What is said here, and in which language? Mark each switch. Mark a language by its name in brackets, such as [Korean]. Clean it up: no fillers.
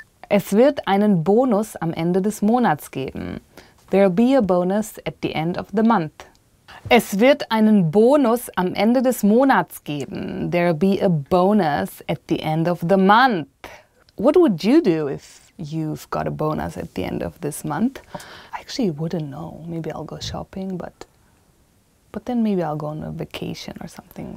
[German] Es wird einen Bonus am Ende des Monats geben. [English] There'll be a bonus at the end of the month. [German] Es wird einen Bonus am Ende des Monats geben. [English] There'll be a bonus at the end of the month. What would you do if you've got a bonus at the end of this month? I actually wouldn't know. Maybe I'll go shopping, but then maybe I'll go on a vacation or something.